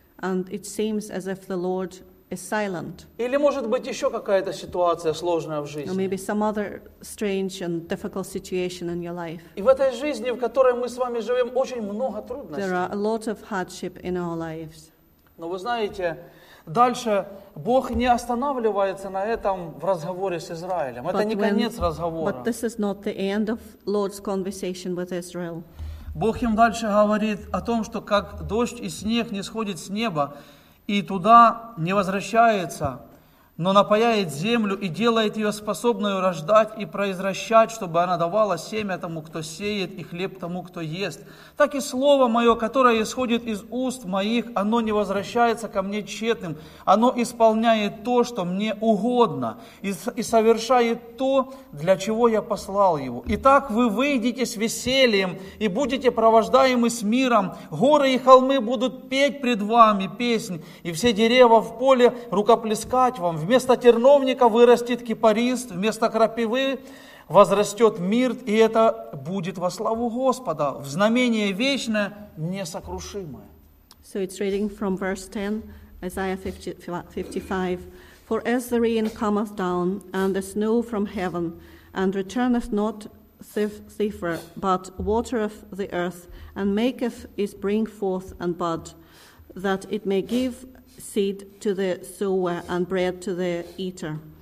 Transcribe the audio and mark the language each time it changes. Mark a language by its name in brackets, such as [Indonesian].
[English] And it seems as if the Lord is silent. [Russian] Или может быть еще какая-то ситуация сложная в жизни. [English] Or maybe some other strange and difficult situation in your life. [Russian] И в этой жизни, в которой мы с вами живем, очень много трудностей. [English] There are a lot of hardship in our lives. [Russian] Но вы знаете, дальше Бог не останавливается на этом в разговоре с Израилем. Это не конец разговора. [English] But this is not the end of Lord's conversation with Israel. [Russian] Бог им дальше говорит о том, что как дождь и снег не сходит с неба и туда не возвращается, но напояет землю и делает ее способную рождать и произращать, чтобы она давала семя тому, кто сеет, и хлеб тому, кто ест. Так и слово мое, которое исходит из уст моих, оно не возвращается ко мне тщетным. Оно исполняет то, что мне угодно, и совершает то, для чего я послал его. Итак, вы выйдете с весельем и будете провождаемы с миром. Горы и холмы будут петь пред вами песнь, и все деревья в поле рукоплескать вам. Вместо терновника вырастет кипарист, вместо крапивы возрастет мирт, и это будет во славу Господа, в знамение вечное, несокрушимое. [English] So it's reading from verse 10, Isaiah 55. For as the rain cometh down, and the snow from heaven, and returneth not thither, but watereth the earth, and maketh it bring forth and bud, that it may give seed to the sower and bread to the eater.